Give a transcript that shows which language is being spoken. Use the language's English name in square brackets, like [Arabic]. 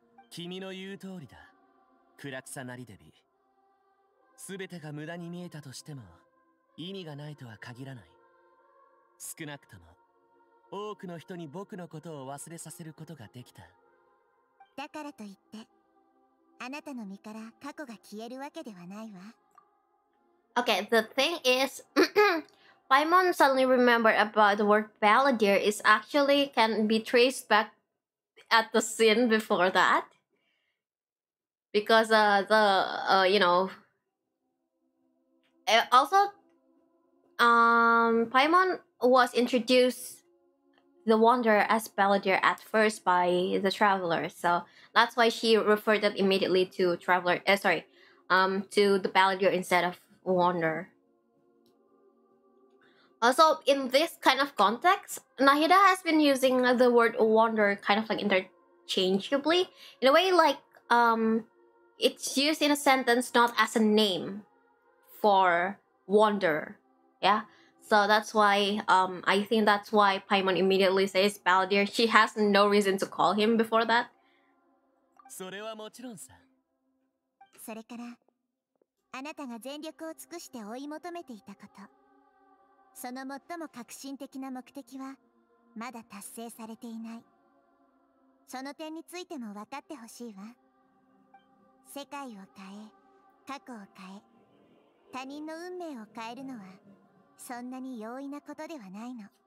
[Japanese] 君の言う通りだ、クラクサナリデビ。すべてが無駄に見えたとしても、意味がないとは限らない。少なくとも、多くの人に僕のことを忘れさせることができた。だからといって、あなたの身から過去が消えるわけではないわ。 [English] Okay, the thing is... Paimon suddenly remembered about the word Balladeer is actually can be traced back at the scene before that. Because, you know... Also, Paimon was introduced the Wanderer as Balladeer at first by the Traveler. So that's why she referred it immediately to Traveler, to the Balladeer instead of Wanderer. Also, in this kind of context, Nahida has been using the word wander kind of like interchangeably. In a way, like, it's used in a sentence, not as a name for wander. Yeah? So that's why, I think that's why Paimon immediately says Balladeer. She has no reason to call him before that. [Japanese] それはもちろんさ。それから、あなたが全力を尽くして追い求めていたこと。その最も革新的な目的はまだ達成されていない。その点についても分かってほしいわ。世界を変え、過去を変え、他人の運命を変えるのはそんなに容易なことではないの。